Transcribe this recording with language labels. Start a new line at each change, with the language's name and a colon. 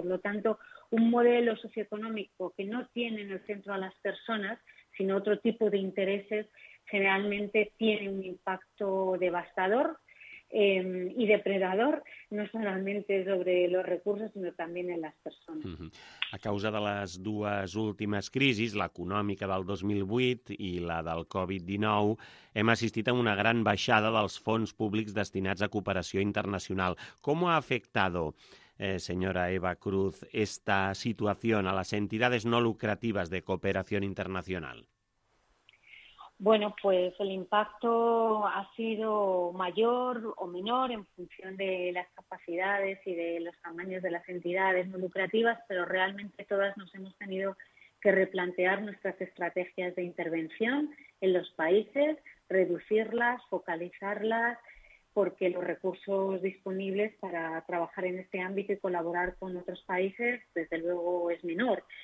Spanish: Por lo tanto, un modelo socioeconómico que no tiene en el centro a las personas, sino otro tipo de intereses, generalmente tiene un impacto devastador y depredador, no solamente sobre los recursos,
Catalan: sinó també en les persones. A causa de les dues últimes crisis, l'econòmica del 2008 i la del Covid-19, hem assistit a una gran baixada dels fons públics destinats a cooperació internacional.
Spanish: ¿Cómo ha afectado, señora Eva Cruz, esta situación a las entidades no lucrativas de cooperación internacional? Bueno, pues el impacto ha sido mayor o menor en función de las capacidades y de los tamaños de las entidades no lucrativas, pero realmente todas nos hemos tenido que replantear nuestras estrategias de intervención en los países, reducirlas, focalizarlas, porque los recursos disponibles para trabajar en este ámbito y colaborar con otros países, desde luego, es menor.